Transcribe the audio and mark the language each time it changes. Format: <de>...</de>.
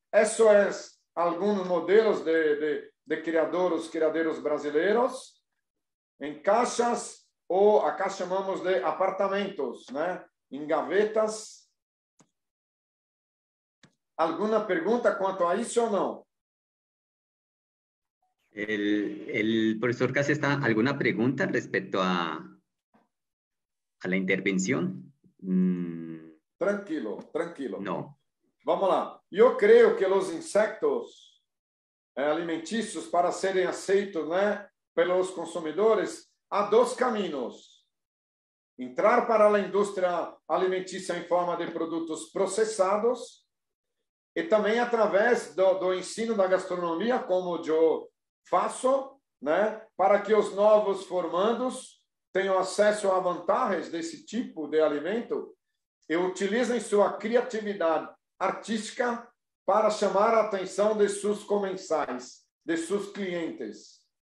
<pt>Esses são alguns modelos de criadeiros brasileiros, em caixas, ou acá chamamos de apartamentos, né, em gavetas. Alguma pergunta quanto a isso ou não?</pt> <es>El profesor Casas, está alguna pregunta respecto a la intervención? Tranquilo, tranquilo. No.</es> <pt>Vamos lá. Eu creio que os insetos alimentícios, para serem aceitos, né, pelos consumidores, há dois caminhos. Entrar para a indústria alimentícia em forma de produtos processados e também através do ensino da gastronomia, como eu faço, né, para que os novos formandos tenham acesso a vantagens desse tipo de alimento e utilizem sua criatividade artística para chamar a atenção de seus comensais, de seus clientes.</pt>